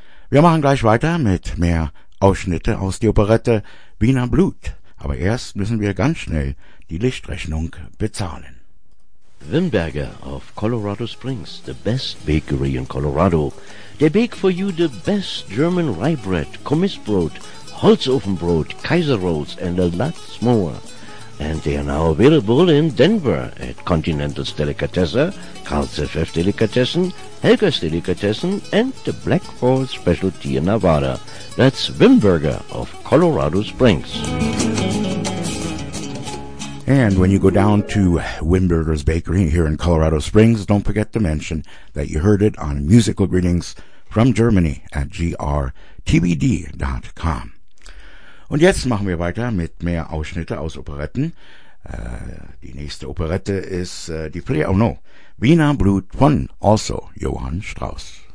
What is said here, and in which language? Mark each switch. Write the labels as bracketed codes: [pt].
[de] Wir machen gleich weiter mit mehr Ausschnitte aus der Operette Wiener Blut. Aber erst müssen wir ganz schnell die Lichtrechnung bezahlen. [en] Wimberger of Colorado Springs, the best bakery in Colorado. They bake for you the best German rye bread, Kommissbrot, Holzofenbrot, Kaiser Rolls and a lot more. And they are now available in Denver at Continental's Delicatesse, Karl's FF Delicatessen, Helga's Delicatessen and the Black Horse Specialty in Nevada. That's Wimberger of Colorado Springs. And when you go down to Wimberger's Bakery here in Colorado Springs, don't forget to mention that you heard it on Musical Greetings from Germany at grtvd.com. [de] Und jetzt machen wir weiter mit mehr Ausschnitte aus Operetten. Die nächste Operette ist die Flea, [en] oh no, [de] Wiener Blut von also Johann Strauss.